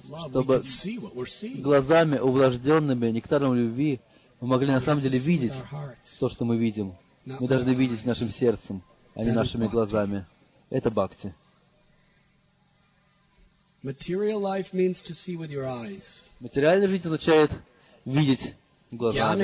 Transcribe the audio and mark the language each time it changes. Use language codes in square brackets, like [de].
[ru] Чтобы глазами, увлажденными нектаром любви, мы могли на самом деле видеть то, что мы видим. Мы должны видеть нашим сердцем, а не нашими глазами. Это бхакти. [en] Material life means to see with your eyes. [ru] Материальная жизнь означает видеть глазами.